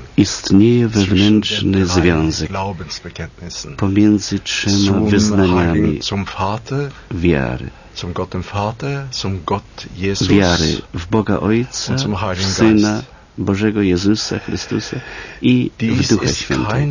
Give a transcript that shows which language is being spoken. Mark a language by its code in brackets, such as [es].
[pl] Istnieje wewnętrzny związek pomiędzy trzema wyznaniami wiary. [de] Zum Gott dem Vater, zum Gott Jesus, [pl] wiary w Boga Ojca, [de] zum Heiligen Geist. [pl] Syna Bożego Jezusa Chrystusa i w Ducha Świętego.